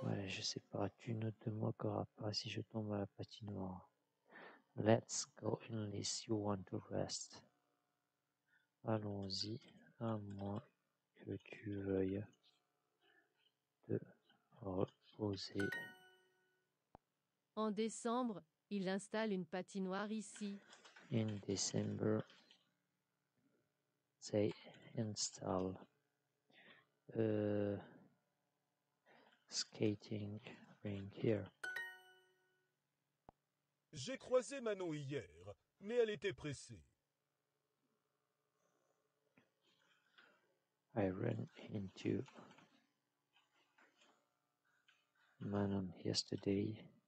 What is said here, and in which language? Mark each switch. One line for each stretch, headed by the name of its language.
French: Ouais, je sais pas, tu ne te moqueras pas si je tombe à la patinoire.
English: Let's go unless you want to rest.
French: Allons-y, à moins que tu veuilles te reposer. En décembre, il installe une patinoire ici.
English: In December, they install a skating rink here.
French: J'ai croisé Manon hier, mais elle était pressée.
English: I ran into Manon yesterday.